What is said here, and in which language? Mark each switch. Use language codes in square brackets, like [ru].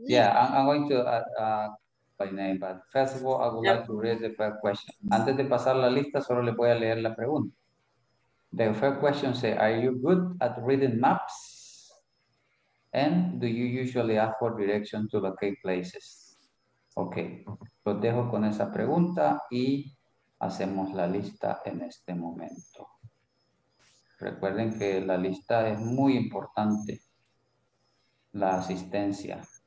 [en] Yeah, I'm going to by name, but first of all, I would like to read the first question. [es] Antes de pasar la lista, solo le voy a leer la pregunta. [en] The first question says, are you good at reading maps? And do you usually ask for directions to locate places? [es] Okay, los dejo con esa pregunta y hacemos la lista en este momento. Recuerden que la lista es muy importante, la asistencia.